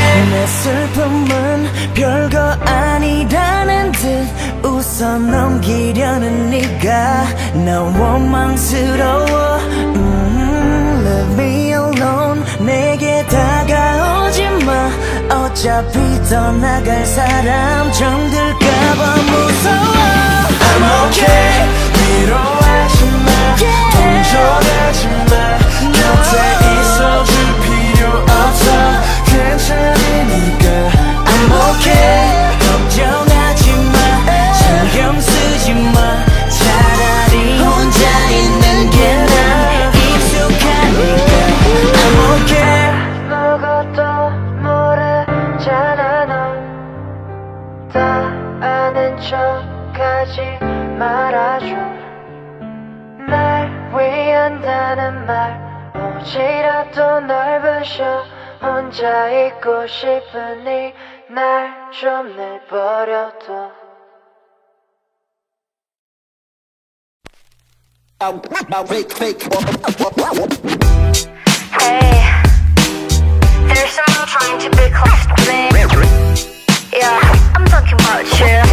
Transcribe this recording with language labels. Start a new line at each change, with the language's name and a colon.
Korean: 내 슬픔은 별거 아니라는 듯 웃어 넘기려는 네가 난 원망스러워
English: Leave me alone
Korean: 내게 다가오지 마 어차피 떠나갈 사람 정들까봐 무서워
English: I'm okay
Korean: 위로하지 마
English: yeah.
Korean: 동정하지 마 no. 곁에 있어줄 필요 없어 괜찮으니까
English: I'm okay
Korean: 걱정하지 마 신경 쓰지 마 차라리 혼자 있는 게 난 익숙하니까
English: I'm okay
Korean: 아무것도 모르잖아 넌 다 아는 척하지 말아줘 날 위한다는 말 오지라도 널 부셔 혼자 있고 싶으니 날 좀 내버려둬
English: Hey, there's someone trying to be close to me Yeah, I'm talking about you